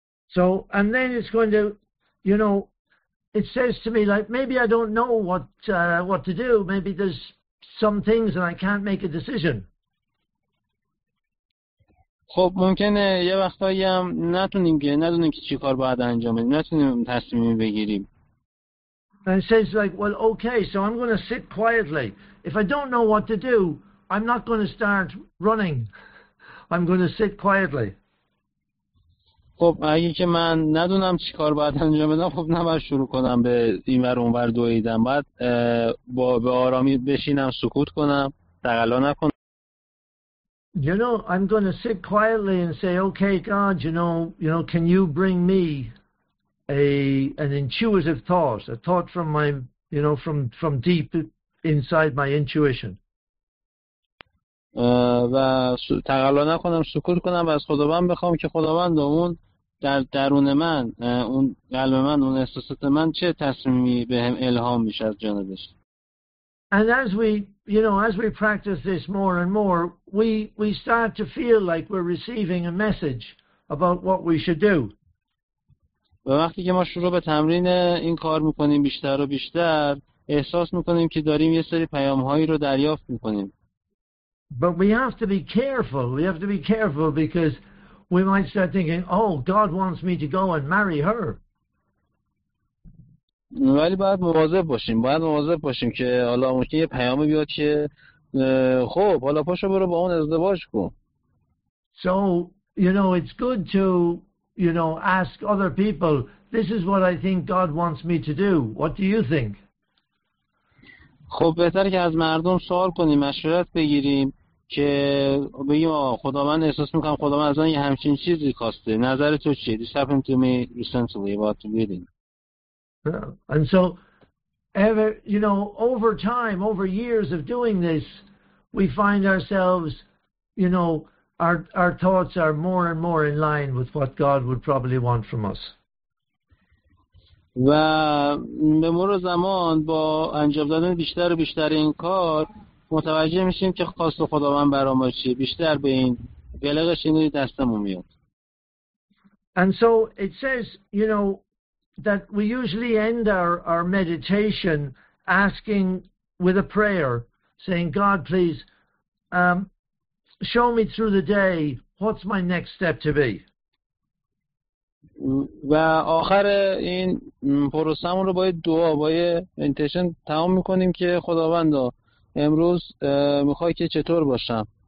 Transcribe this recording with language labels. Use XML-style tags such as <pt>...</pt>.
<en>So, and then it's going to, you know, it says to me like, maybe I don't know what to do. Maybe there's some things and I can't make a decision.</en> <fa>خب ممکنه یه وقتایی هم نتونیم که ندونیم که چی کار باید انجام بدیم، نتونیم تصمیمی بگیریم.</fa> <en>And it says like, well, okay, so I'm going to sit quietly. If I don't know what to do, I'm not going to start running. I'm going to sit quietly.</en> <fa>خب اگه که من ندونم چی کار باید انجام بدم، خب نباید شروع کنم به این ور اون ور دویدن. باید به آرامی بشینم، سکوت کنم، تقلا نکنم.</fa> <en>You know, I'm going to sit quietly and say, okay, God, you know, can you bring me an intuitive thought, a thought from my, you know, from deep inside my intuition.</en> <fa>و تقلا نکنم، سکوت کنم و از خداوند بخوام که خداوند اون در درون من، اون قلب من، اون احساسات من چه تصمیمی بهم الهام میشه از جانبش.</fa> <en>And as we, you know, as we practice this more and more, we start to feel like we're receiving a message about what we should do.</en> <fa>و وقتی که ما شروع به تمرین این کار میکنیم بیشتر و بیشتر احساس میکنیم که داریم یه سری پیام‌هایی رو دریافت میکنیم.</fa> <en>But we have to be careful. We have to be careful because we might start thinking, "Oh, God wants me to go and marry her."</en> <fa>ولی باید مواظب باشیم که حالا ممکنه یه پیامی بیاد که خب حالا پاشو برو با اون ازدواج کن.</fa> <en>So, you know, it's good to, you know, ask other people, this is what I think God wants me to do. What do you think?</en> <fa>خب بهتره که از مردم سوال کنیم، مشورت بگیریم که بگیم آقا خداوند احساس میکنم خداوند از من یه همچین چیزی خواسته. نظر تو چیه؟</fa> <en>This happened to me recently. What do you think? And so, ever, you know, over time, over years of doing this, we find ourselves, you know, our thoughts are more and more in line with what God would probably want from us.</en> <fa>و به مرور زمان با انجام دادن بیشتر و بیشتر این کار متوجه میشیم که خواست خداوند برام چیه، بیشتر به این بلغش اینو دستمون میاد.</fa> <en>And so it says, you know, that we usually end our meditation asking with a prayer, saying, God, please, show me through the day, what's my next step to be?</en> <fa>و آخر این پروسمون رو با دعا، با انتشن تمام میکنیم که خداوند امروز میخوای که چطور باشم.</fa>